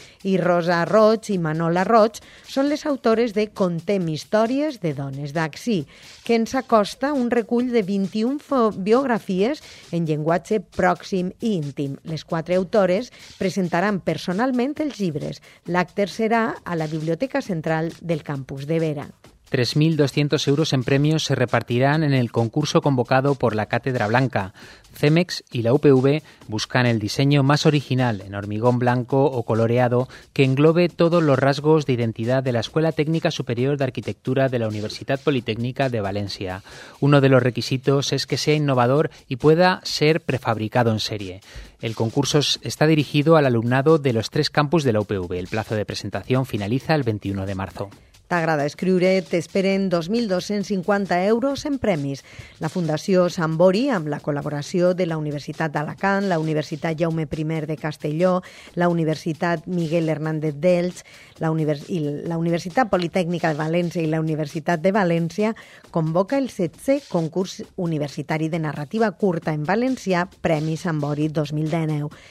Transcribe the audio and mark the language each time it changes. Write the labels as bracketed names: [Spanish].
[Catalan] I Rosa Roig i Manola Roig són les autores de Contem històries de dones d'ací, que ens acosta un recull de 21 biografies en llenguatge pròxim i íntim. Les quatre autores presentaran personalment els llibres. L'acte serà a la Biblioteca Central del Campus de Vera. [Spanish] 3.200 euros en premios se repartirán en el concurso convocado por la Cátedra Blanca. Cemex y la UPV buscan el diseño más original en hormigón blanco o coloreado que englobe todos los rasgos de identidad de la Escuela Técnica Superior de Arquitectura de la Universidad Politécnica de Valencia. Uno de los requisitos es que sea innovador y pueda ser prefabricado en serie. El concurso está dirigido al alumnado de los tres campus de la UPV. El plazo de presentación finaliza el 21 de marzo. [Catalan] T'agrada escriure? T'esperen 2.250 euros en premis. La Fundació Sant Bori, amb la col·laboració de la Universitat d'Alacant, la Universitat Jaume I de Castelló, la Universitat Miguel Hernández d'Elx, la Universitat Politècnica de València i la Universitat de València, convoca el 7è concurs universitari de narrativa curta en valencià Premi Sant Bori 2019.